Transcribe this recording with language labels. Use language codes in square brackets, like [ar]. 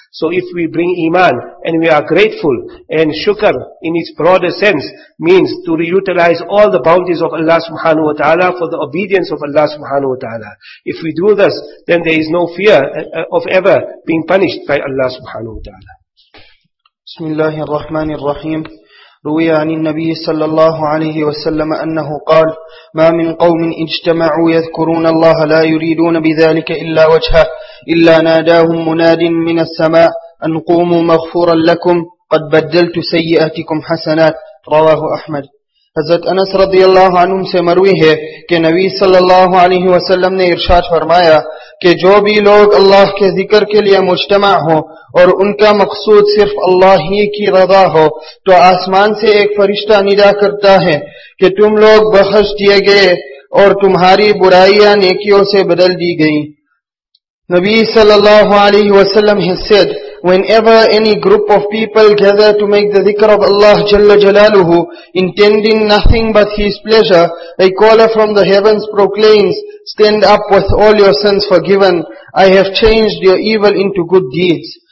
[en] So if we bring iman and we are grateful, and shukr in its broader sense means to reutilize all the bounties of Allah subhanahu wa ta'ala for the obedience of Allah subhanahu wa ta'ala. If we do this, then there is no fear of ever being punished by Allah subhanahu wa ta'ala. Bismillah ar-Rahman ar-Rahim. [ar] روي عن النبي صلى الله عليه وسلم أنه قال ما من قوم اجتمعوا يذكرون الله لا يريدون بذلك إلا وجهه إلا ناداهم مناد من السماء أن قوموا مغفورا لكم قد بدلت سيئاتكم حسنات رواه أحمد. [ur] حضرت انس رضی اللہ عنہ سے مروی ہے کہ نبی صلی اللہ علیہ وسلم نے ارشاد فرمایا کہ جو بھی لوگ اللہ کے ذکر کے لیے مجتمع ہوں اور ان کا مقصود صرف اللہ ہی کی رضا ہو تو آسمان سے ایک فرشتہ ندا کرتا ہے کہ تم لوگ بخش دیے گئے اور تمہاری برائیاں نیکیوں سے بدل دی گئیں. [en] نبی صلی اللہ علیہ وسلم has said, whenever any group of people gather to make the dhikr of Allah Jalla Jalaluhu, intending nothing but His pleasure, a caller from the heavens proclaims, stand up with all your sins forgiven, I have changed your evil into good deeds.